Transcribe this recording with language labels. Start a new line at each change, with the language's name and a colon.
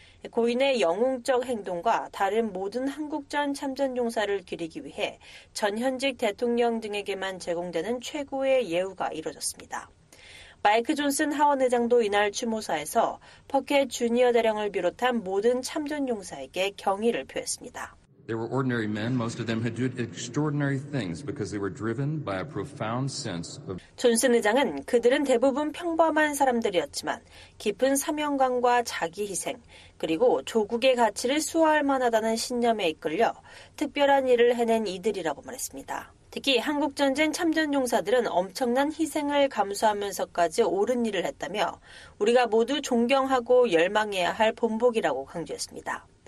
Korean: 고인의 영웅적 행동과 다른 모든 한국전 참전용사를 기리기 위해 전현직 대통령 등에게만 제공되는 최고의 예우가 이뤄졌습니다. 마이크 존슨 하원의장도 이날 추모사에서 퍼켓 주니어 대령을 비롯한 모든 참전용사에게 경의를 표했습니다.
English: They were ordinary men. Most of them had done extraordinary things because they were driven by a profound sense of.
Korean: 존슨 의장은 그들은 대부분 평범한 사람들이었지만 깊은 사명감과 자기 희생 그리고 조국의 가치를 수호할 만하다는 신념에 이끌려 특별한 일을 해낸 이들이라고 말했습니다. 특히 한국전쟁 참전용사들은 엄청난 희생을 감수하면서까지 옳은 일을 했다며 우리가 모두 존경하고 열망해야 할 본보기라고 강조했습니다.